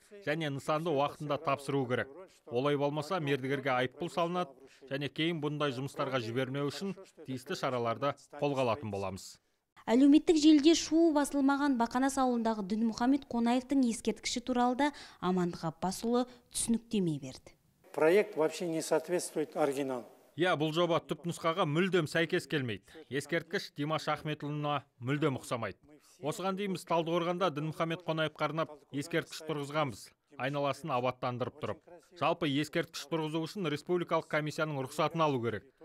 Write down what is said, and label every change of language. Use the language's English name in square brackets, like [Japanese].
[Kazakh] Және нысанды уақытында тапсыру керек. Олай болмаса мердігерге айыппұл салынады және кейін бұндай жұмыстарға жібермеу үшін тиісті шараларды қолға алатын боламыз. Әлеуметтік желіде шуы басылмаған Бақанас ауылындағы Дінмұхамед Қонаевтың ескерткіші туралы да Амандық Аппасұлы түсініктеме берді. [Russian] Проект вообще не соответствует оригинал. [Kazakh] Бұл жоба түпнұсқаға мүлдем сәйкес келмейді. Ескерткіш Димаш Ахметұлына мүлдем ұқсамайды. Осыған дейін біз Талдықорғанда Дінмұхамед Қонаевқа арнап ескерткіш тұрғызғанбыз, айналасын абаттандырып тұрып. Жалпы ескерткіш тұрғызу үшін республикалық комиссияның рұқсатын алу керек.